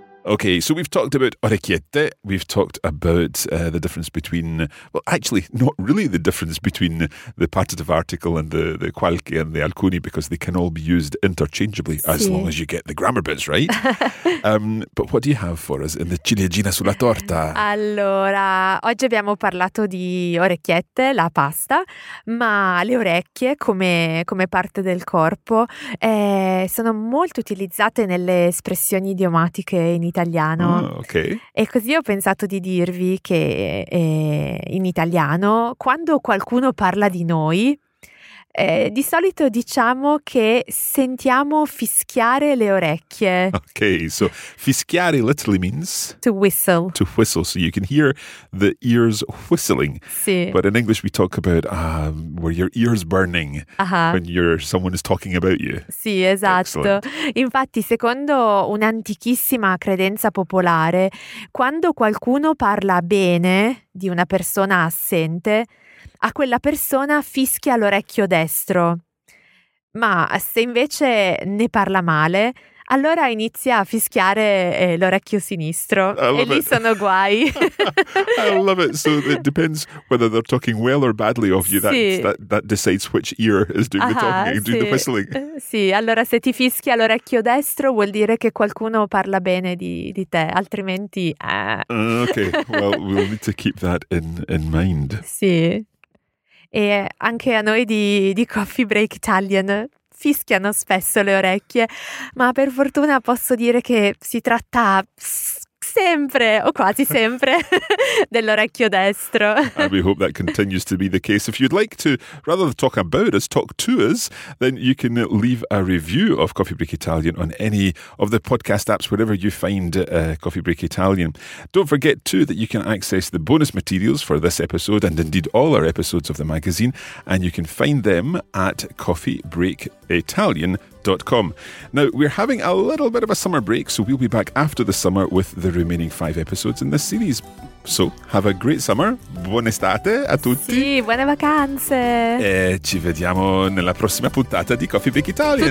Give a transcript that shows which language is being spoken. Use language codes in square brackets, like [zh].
[en] Okay, so we've talked about orecchiette, we've talked about the difference between, well, actually, not really the difference between the partitive article and the qualche and the alcuni, because they can all be used interchangeably, si. As long as you get the grammar bits right. but what do you have for us in the [it] ciliegina sulla torta? Allora, oggi abbiamo parlato di orecchiette, la pasta, ma le orecchie come parte del corpo sono molto utilizzate nelle espressioni idiomatiche in italiano. [en] Oh, okay. [it] E così ho pensato di dirvi che in italiano, quando qualcuno parla di noi, di solito diciamo che sentiamo fischiare le orecchie. [en] Okay, so fischiare literally means to whistle. To whistle, so you can hear the ears whistling. [it] Sì. [en] But in English we talk about where your ears burning. Uh-huh. When someone is talking about you. [it] Sì, esatto. Excellent. Infatti, secondo un'antichissima credenza popolare, quando qualcuno parla bene di una persona assente, a quella persona fischia l'orecchio destro, ma se invece ne parla male, allora inizia a fischiare l'orecchio sinistro. [en] I love it. [it] Lì sono guai. [en] I love it. So it depends whether they're talking well or badly of you. [it] Sì. [en] That decides which ear is doing the talking, doing the whistling. [it] Sì, allora se ti fischia l'orecchio destro vuol dire che qualcuno parla bene di te, altrimenti... [en] Okay, well, we'll need to keep that in mind. [it] Sì. E anche a noi di Coffee Break Italian fischiano spesso le orecchie, ma per fortuna posso dire che si tratta sempre, o quasi sempre, dell'orecchio destro. [en] And we hope that continues to be the case. If you'd like to, rather than talk about us, talk to us, then you can leave a review of Coffee Break Italian on any of the podcast apps, wherever you find Coffee Break Italian. Don't forget, too, that you can access the bonus materials for this episode and indeed all our episodes of the magazine, and you can find them at coffeebreakitalian.com. Now, we're having a little bit of a summer break, so we'll be back after the summer with the remaining 5 episodes in this series. So, have a great summer. [it] Buona estate a tutti. Sì, buone vacanze. E ci vediamo nella prossima puntata di Coffee Break Italian.